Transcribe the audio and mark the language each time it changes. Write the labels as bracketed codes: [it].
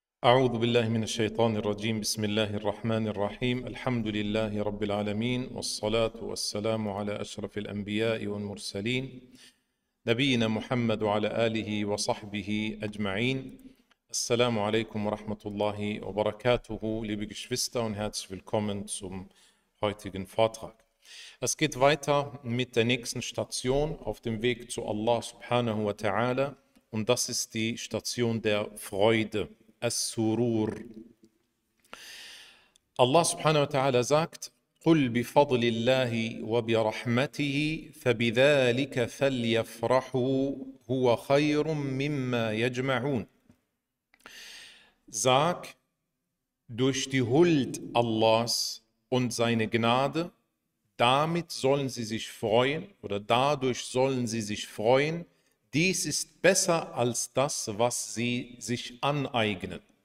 [ar] أعوذ بالله من الشيطان الرجيم بسم الله الرحمن الرحيم الحمد لله رب العالمين والصلاة والسلام على أشرف الأنبياء والمرسلين نبينا محمد وعلى آله وصحبه أجمعين السلام عليكم ورحمة الله وبركاته [de] Liebe Geschwister und herzlich willkommen zum heutigen Vortrag. Es geht weiter mit der nächsten Station auf dem Weg zu Allah subhanahu wa ta'ala und das ist die Station der Freude. [ar] As-surur. [de] Allah subhanahu wa ta'ala sagt, [ar] قُلْ بِفَضْلِ اللَّهِ وَبِرَحْمَتِهِ فَبِذَٰلِكَ فَلْيَفْرَحُوا هُوَ خَيْرٌ مِّمَّا يَجْمَعُونَ. [de] Sag, durch die Huld Allahs und seine Gnade, damit sollen sie sich freuen, oder dadurch sollen sie sich freuen, dies ist besser als das, was sie sich aneignen.